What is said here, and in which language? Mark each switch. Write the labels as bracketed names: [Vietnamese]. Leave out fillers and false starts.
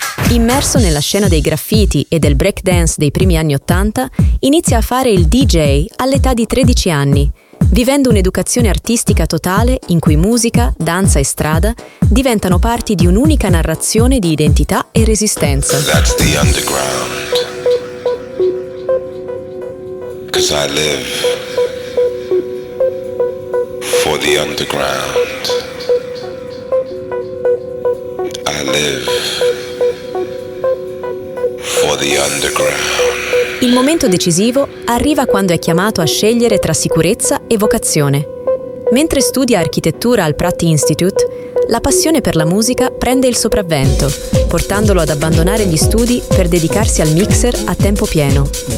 [Italian] Immerso nella scena dei graffiti e del breakdance dei primi anni Ottanta, inizia a fare il DJ all'età di 13 anni, vivendo un'educazione artistica totale in cui musica, danza e strada diventano parti di un'unica narrazione di identità e resistenza. [English] That's the underground. 'Cause I live for the underground. I live for the underground. [Italian] Il momento decisivo arriva quando è chiamato a scegliere tra sicurezza e vocazione. Mentre studia architettura al Pratt Institute, la passione per la musica prende il sopravvento, portandolo ad abbandonare gli studi per dedicarsi al mixer a tempo pieno.